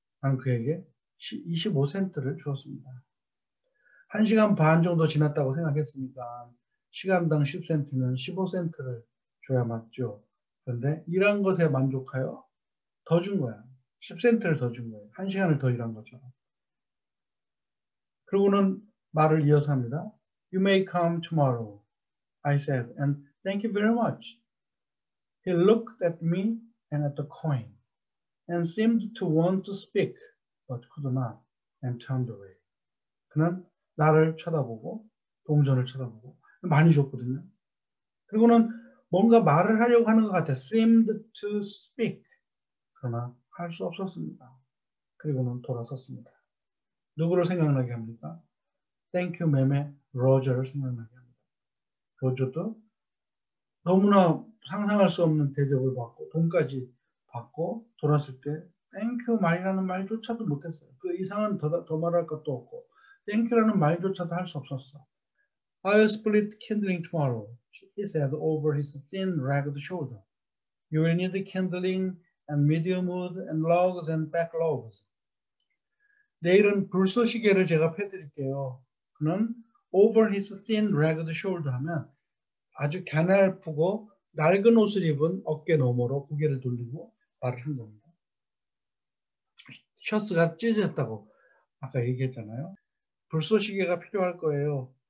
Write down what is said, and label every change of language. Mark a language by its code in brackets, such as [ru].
[ko] 나는 그에게 25센트를 주었습니다. 1시간 반 정도 지났다고 생각했으니까 시간당 10센트면 15센트를 줘야 맞죠. 그런데 일한 것에 만족하여 더준 거야. 10센트를 더준 거예요. 1시간을 더 일한 거죠. 그리고는 말을 이어서 합니다. [en] You may come tomorrow, I said, and thank you very much. He looked at me and at the coin, and seemed to want to speak, but could not, and turned away. [ko] 그는 나를 쳐다보고, 동전을 쳐다보고, 많이 줬거든요. 그리고는 뭔가 말을 하려고 하는 것 같아. [en] seemed to speak. [ko] 그러나 할수 없었습니다. 그리고는 돌아섰습니다. 누구를 생각나게 합니까? [en] Thank you, ma'am [ko] 의 로저를 생각나게 합니다. 로저도 너무나 상상할 수 없는 대접을 받고, 돈까지 받고, 돌았을 때, Thank you, ma'am이라는 말조차도 못했어요. 그 이상은 더 말할 것도 없고, Thank you라는 말조차도 할수 없었어. [en] I'll split kindling tomorrow, he said over his thin ragged shoulder. You will need kindling and medium wood and logs and back logs. [ko] 내일은 불쏘시개를 제가 패드릴게요. 그는 [en] over his thin ragged shoulder [ko] 하면 아주 갸날프고 낡은 옷을 입은 어깨 너머로 고개를 돌리고 말을 한 겁니다. 셔츠가 찢어졌다고 아까 얘기했잖아요. 불쏘시개가 필요할 거예요.